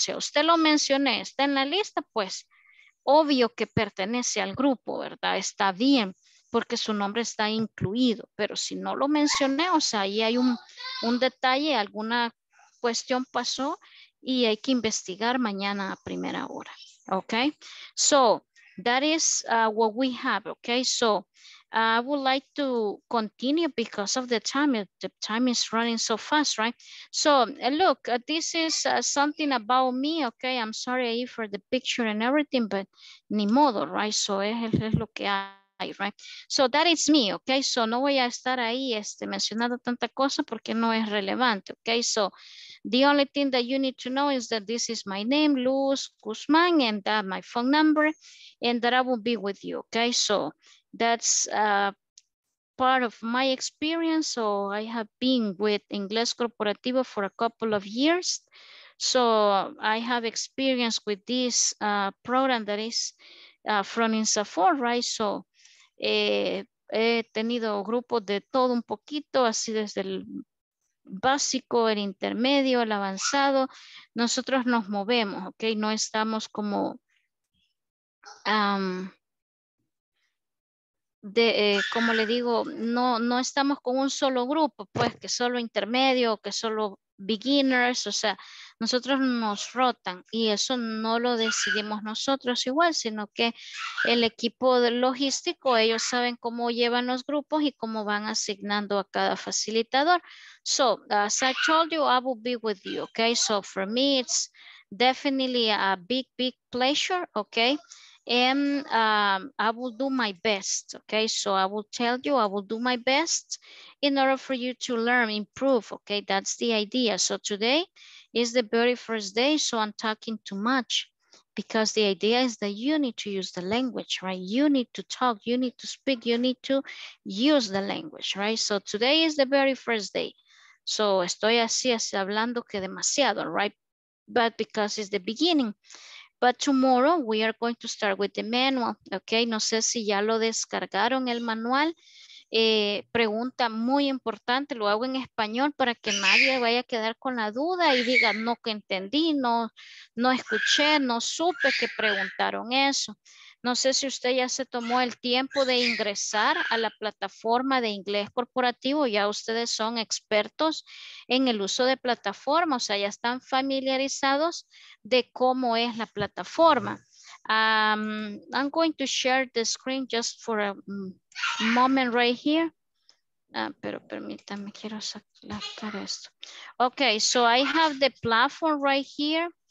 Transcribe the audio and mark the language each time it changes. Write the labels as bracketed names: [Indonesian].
[Spanish] Si usted lo mencioné, está en la lista, pues obvio que pertenece al grupo, ¿verdad? Está bien, porque su nombre está incluido, pero si no lo mencioné, o sea, ahí hay un detalle, alguna cuestión pasó y hay que investigar mañana a primera hora, ¿ok? [English] So, that is what we have, ¿ok? So, I would like to continue because of the time. The time is running so fast, right? So, look, this is something about me, ¿ok? I'm sorry for the picture and everything, but [Spanish] ni modo, [English] right? So, [Spanish] es lo que hay. [English] Right, so that is me, okay. [Spanish] So no voy a estar ahí mencionando tanta cosa porque no es relevante, okay. [English] So the only thing that you need to know is that this is my name, Luz Guzmán, and that my phone number, and that I will be with you, okay. So that's part of my experience. So I have been with Inglés Corporativo for a couple of years, so I have experience with this program that is from INSAFOR, right? [Spanish] So he tenido grupos de todo un poquito, así desde el básico, el intermedio, el avanzado. Nosotros nos movemos, ok, no estamos como como le digo, no estamos con un solo grupo, pues que solo intermedio, que solo beginners. O sea, nosotros nos rotan y eso no lo decidimos nosotros igual, sino que el equipo logístico, ellos saben cómo llevan los grupos y cómo van asignando a cada facilitador. [English] So, as I told you, I will be with you, okay? So, for me, it's definitely a big, big pleasure, okay? And I will do my best, okay? So I will tell you, I will do my best in order for you to learn, improve, okay? That's the idea. So today is the very first day, so I'm talking too much because the idea is that you need to use the language, right? You need to talk, you need to speak, you need to use the language, right? So today is the very first day. So [Spanish] estoy así hablando que demasiado, [English] right? But because it's the beginning. But tomorrow we are going to start with the manual, okay? [Spanish] No sé si ya lo descargaron el manual. Pregunta muy importante, lo hago en español para que nadie vaya a quedar con la duda y diga no que entendí, no escuché, no supe que preguntaron eso. No sé si usted ya se tomó el tiempo de ingresar a la plataforma de Inglés Corporativo. Ya ustedes son expertos en el uso de plataformas, o sea, ya están familiarizados de cómo es la plataforma. [English] I'm going to share the screen just for a moment right here. [Spanish] Pero permítanme, quiero sacar esto. [English] Okay, so I have the platform right here.